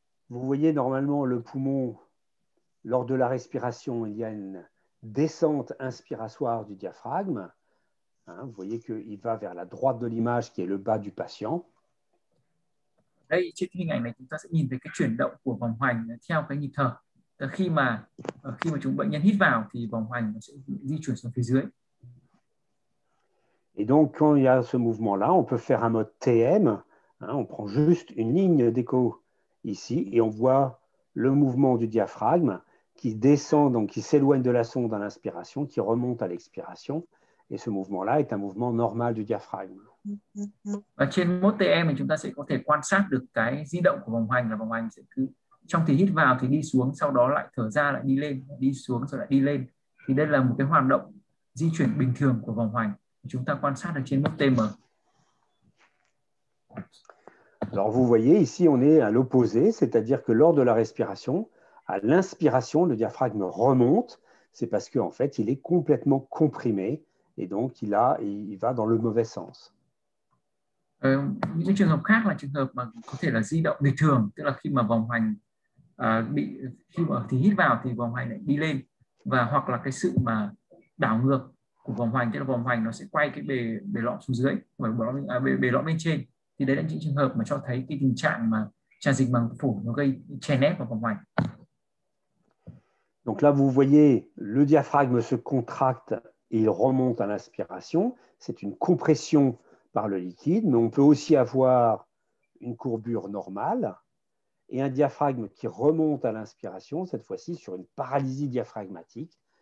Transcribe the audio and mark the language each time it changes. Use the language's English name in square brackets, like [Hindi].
[French] Vous voyez normalement le poumon, lors de la respiration, il y a une descente inspiratoire du diaphragme. Vous voyez qu'il va vers la droite de l'image qui est le bas du patient. [Vietnamese] Đây, trên hình ảnh này chúng ta sẽ nhìn thấy cái chuyển động của vòng hoành theo cái nhịp thở. Khi mà chúng bệnh nhân hít vào thì vòng hoành nó sẽ di chuyển xuống phía dưới. [French] Et donc, quand il y a ce mouvement-là, on peut faire un mode TM. On prend juste une ligne d'écho. Ici, et on voit le mouvement du diaphragme qui descend, donc qui s'éloigne de la sonde à l'inspiration, qui remonte à l'expiration. Et ce mouvement-là est un mouvement normal du diaphragme. [Vietnamese] Và trên mô TM thì chúng ta sẽ có thể quan sát được cái di động của vòng hoành là vòng hoành sẽ cứ trong thì hít vào thì đi xuống sau đó lại thở ra lại đi lên đi xuống rồi lại đi lên thì đây là một cái hoạt động di chuyển bình thường của vòng hoành chúng ta quan sát được trên mô TM. [French] Alors vous voyez ici on est à l'opposé, c'est-à-dire que lors de la respiration, à l'inspiration, le diaphragme remonte, c'est parce que en fait, il est complètement comprimé et donc il va dans le mauvais sens. [Vietnamese] Những trường hợp khác là trường hợp mà có thể là di động bình thường, tức là khi mà vòng hoành bị khi mà thì hít vào thì vòng hoành lại đi lên và hoặc là cái sự mà đảo ngược của vòng hoành, tức là vòng hoành nó sẽ quay cái bề lõm xuống dưới, bề lõm bên trên. Thì đấy là những trường hợp mà cho thấy cái tình trạng mà tràn dịch màng phổi nó gây chèn ép vào vòng hoành. [French] Donc là vous voyez le diaphragme se contracte et il remonte à l'inspiration, c'est une compression par le liquide, mais on peut aussi avoir une courbure normale et un diaphragme qui remonte à l'inspiration, cette fois-ci sur une paralysie diaphragmatique.